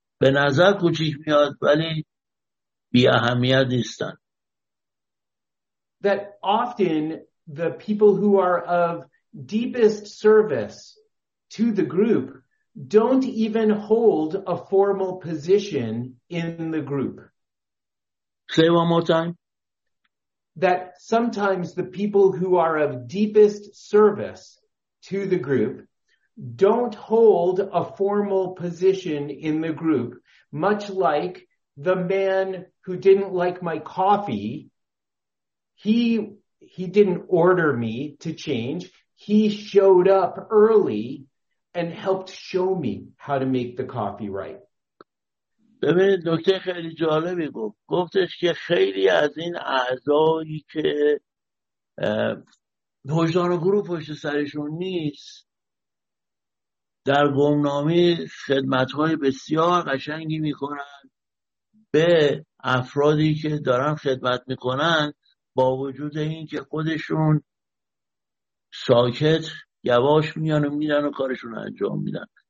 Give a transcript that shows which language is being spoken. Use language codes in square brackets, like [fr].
[fa] به نظر کوچیک میاد ولی بی اهمیت نیستن. [en] That often the people who are of deepest service to the group don't even hold a formal position in the group. Say one more time. That sometimes the people who are of deepest service to the group don't hold a formal position in the group, much like the man who didn't like my coffee. He didn't order me to change. He showed up early and helped show me how to make the coffee right. [fa] ببینید دکتر خیلی جالبی گفت. گفتش که خیلی از این اعضایی که وجدان گروه پشت سرشون نیست در گمنامی خدمتهای بسیار قشنگی میکنن به افرادی که دارن خدمت میکنن با وجود این که خودشون ساکت یواش میان و میرن و کارشون انجام میدن.